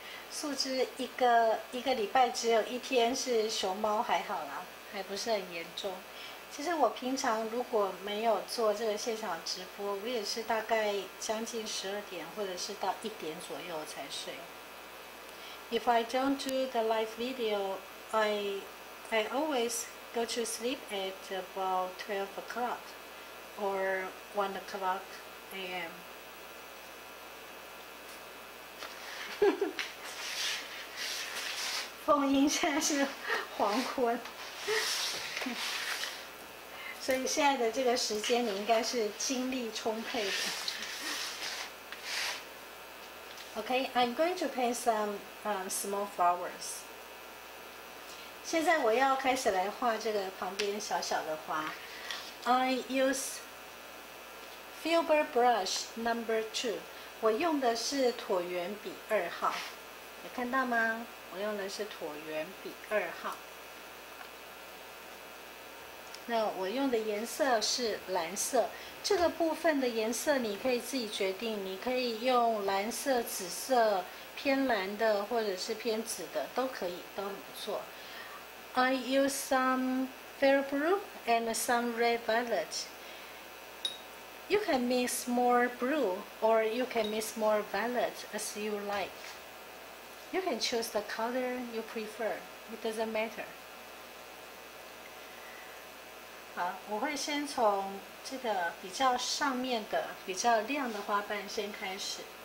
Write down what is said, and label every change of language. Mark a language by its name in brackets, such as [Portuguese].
[Chinese] 树枝一个礼拜只有一天是熊猫，还好啦，还不是很严重。其实我平常如果没有做这个现场直播，我也是大概将近12点或者是到1点左右才睡。 [English] If I don't do the live video, I always go to sleep at about 12 o'clock or 1 o'clock a.m. [Chinese] 凤英现在是黄昏。所以现在的这个时间你应该是精力充沛的。 [English] OK, I'm going to paint some small flowers. [Chinese] 现在我要开始来画这个旁边小小的花。 [English] I use Filbert brush number 2, [Chinese] 我用的是椭圆笔二号，有看到吗？我用的是椭圆笔二号。那我用的颜色是蓝色，这个部分的颜色你可以自己决定，你可以用蓝色、紫色、偏蓝的或者是偏紫的都可以，都不错。 [English] I use some fair blue and some red violet. You can mix more blue or you can mix more violet as you like. You can choose the color you prefer. It doesn't matter. [Chinese] 好，我会先从这个比较上面的、比较亮的花瓣先开始。